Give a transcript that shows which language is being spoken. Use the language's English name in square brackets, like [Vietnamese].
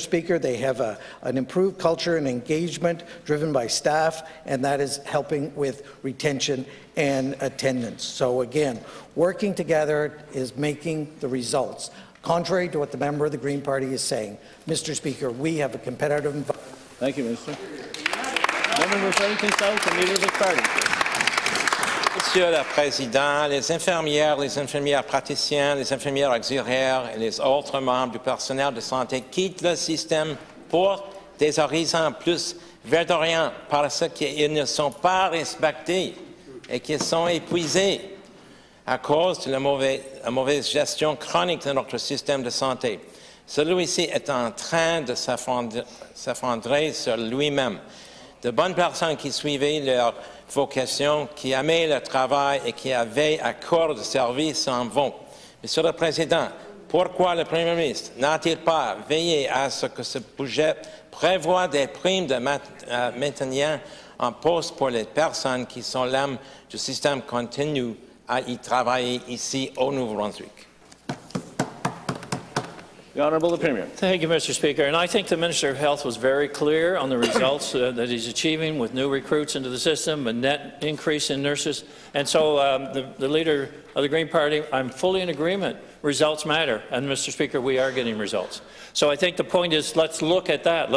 [English] Speaker, they have an improved culture and engagement driven by staff, and that is helping with retention and attendance. So, again, working together is making the results. Contrary to what the member of the Green Party is saying, Mr. Speaker, we have a competitive environment. Thank you, Minister. [French] Monsieur le Président, les infirmières, les infirmières praticiennes, les infirmières auxiliaires et les autres membres du personnel de santé quittent le système pour des horizons plus verdoyants parce qu'ils ne sont pas respectés et qu'ils sont épuisés à cause de la mauvaise gestion chronique de notre système de santé. Celui-ci est en train de s'effondrer sur lui-même. De bonnes personnes qui suivaient leur vocation, qui aimaient leur travail et qui avaient un corps de service s'en vont. Monsieur le Président, Pourquoi le premier ministre n'a-t-il pas veillé à ce que ce budget prévoit des primes de maintenir un poste pour les personnes qui sont l'âme du système continu à y travailler ici au Nouveau-Brunswick? [English] The Honourable Premier. Thank you, Mr. Speaker. And I think the Minister of Health was very clear on the results that he's achieving with new recruits into the system, a net increase in nurses. And so the Leader of the Green Party, I'm fully in agreement. Results matter. And, Mr. Speaker, we are getting results. So I think the point is, let's look at that.